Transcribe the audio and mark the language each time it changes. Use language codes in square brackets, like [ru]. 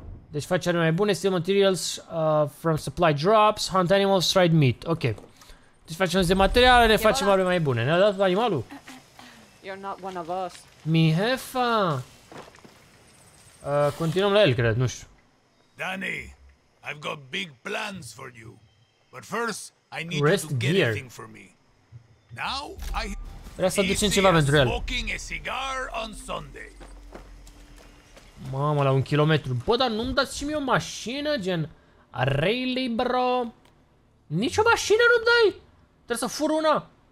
[ro] Deci face arme mai bune, [en] steel materials from supply drops, hunt animals, stride meat. Ok. [ro] Deci facem de materiale, ne facem arme mai bune. Ne-a dat animalul. [en] You're not one of us. [es] Mi hefa. [ro] Continuăm la el, cred, nu știu. [en] Danny, I've got big plans for you. But first, I need you to get anything for me. Now, I... [ro] Vreau să aducem ceva pentru el. [en] Smoking a cigar on Sunday. [ro] Mamă, la un kilometru. Bă, dar nu-mi dați și mie o mașină, gen... [en] Really, bro? [ro] Nici o mașină nu-mi dai? Trebuie să fur una.